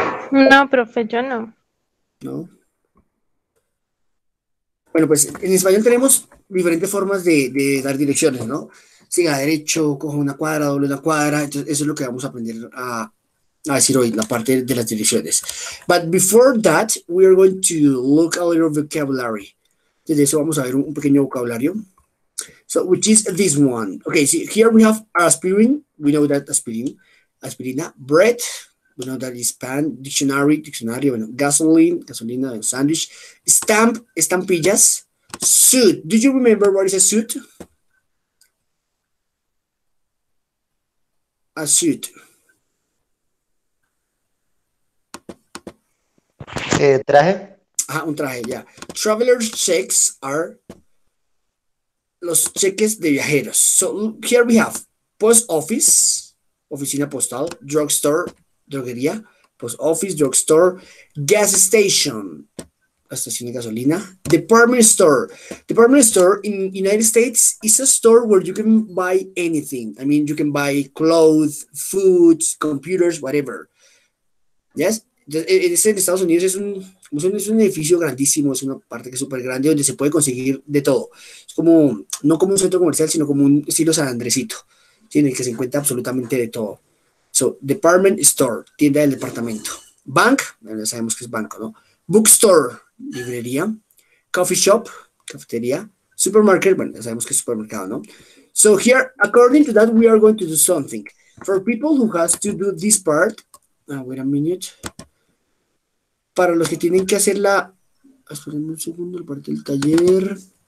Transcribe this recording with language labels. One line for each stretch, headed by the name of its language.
Spanish: No, profe, yo no. ¿No? Bueno, pues en español tenemos diferentes formas de dar direcciones, ¿no? Siga derecho, coja una cuadra, doble una cuadra. Entonces, eso es lo que vamos a aprender a decir hoy, la parte de las direcciones.
English: But before that, we are going to look a little vocabulary.
Spanish: Desde eso vamos a ver un pequeño vocabulario.
English: So, which is this one. Okay, see, here we have aspirin. We know that aspirin. Aspirina. Bread. We know that is pan. Dictionary. Dictionary. Bueno, gasoline. Gasolina. Sandwich. Stamp. Estampillas. Suit. Do you remember what is a suit? A suit.
Spanish: Traje. Ah, un traje, ya.
English: Yeah. Traveler's checks are
Spanish: los cheques de viajeros.
English: So here we have post office, oficina postal, drugstore, droguería, post office, drugstore, gas station, estación de gasolina, department store. Department store in United States is a store where you can buy anything. I mean, you can buy clothes, foods, computers, whatever. Yes?
Spanish: En Estados Unidos es un edificio grandísimo, es una parte que es súper grande donde se puede conseguir de todo. Es como, no como un centro comercial, sino como un estilo San Andresito, en el que se encuentra absolutamente de todo. So, department store, tienda del departamento. Bank, ya sabemos que es banco, ¿no?
English: Bookstore, librería. Coffee shop, cafetería.
Spanish: Supermarket, bueno, ya sabemos que es supermercado, ¿no?
English: So, here, according to that, we are going to do something. For people who has to do this part, wait a minute.
Spanish: Para los que tienen que hacer la, espérenme un segundo, la parte del taller.